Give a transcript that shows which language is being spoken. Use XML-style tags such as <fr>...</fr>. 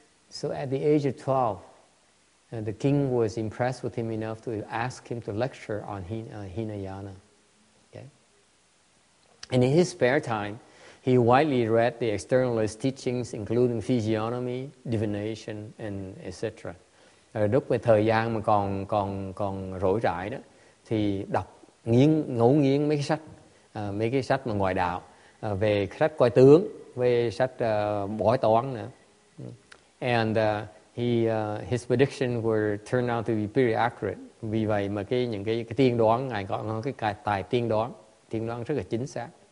<en>So at the age of 12, the king was impressed with him enough to ask him to lecture on Hinayana. And in his spare time, he widely read the externalist teachings, including physiognomy, divination, and etc.</en> <vi>Lúc về thời gian mà còn rỗi rãi đó, thì đọc ngấu nghiến mấy cái sách mà ngoại đạo, về sách coi tướng, về sách bói toán nữa.</vi> <en>And his predictions were turned out to be pretty accurate.</en> <vi>Vì vậy mà những cái tiên đoán ngài có cái tài tiên đoán rất là chính xác.</vi>